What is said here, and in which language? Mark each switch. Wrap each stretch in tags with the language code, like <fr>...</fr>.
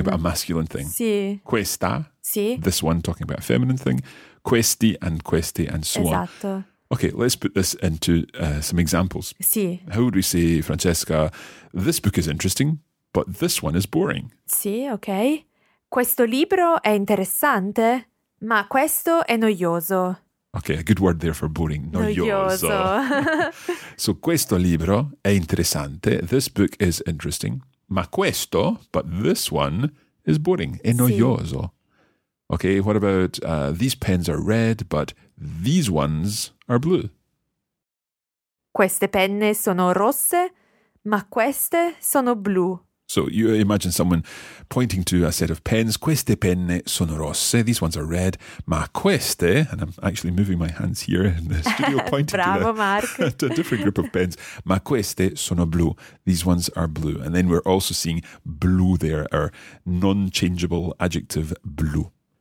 <en>About a masculine thing.</en> <it>Sì. Questa. Sì.</it> <en>This one, talking about a feminine thing. Questi and queste and so</en> <it>esatto.</it> <en>on.</en> <it>Esatto.</it> <en>Okay, let's put this into some examples.</en> <it>Sì.</it> <en>How would we say, Francesca, this book is interesting, but this one is boring?</en> <it>Sì, okay. Questo libro è interessante, ma questo è noioso.</it> <en>Okay, a good word there for boring.</en> <it>Noioso.</it> <en>So</en> <it>questo libro è interessante.</it> <en>This book is interesting.</en> <it>Ma questo,</it> <en>but this one, is boring.</en> <it>È noioso. Sì.</it> <en>Okay, what about these pens are red, but these ones are blue?</en> <it>Queste penne sono rosse, ma queste sono blu.</it> <en>So you imagine someone pointing to a set of pens.</en> <it>Queste penne sono rosse.</it> <en>These ones are red.</en> <it>Ma queste,</it> <en>and I'm actually moving my hands here in the studio pointing</en> <it>Bravo,</it> <en>to a different group of pens.</en> <it>Ma queste sono blu.</it> <en>These ones are blue. And then we're also seeing blu there, our non-changeable adjective blu.</en>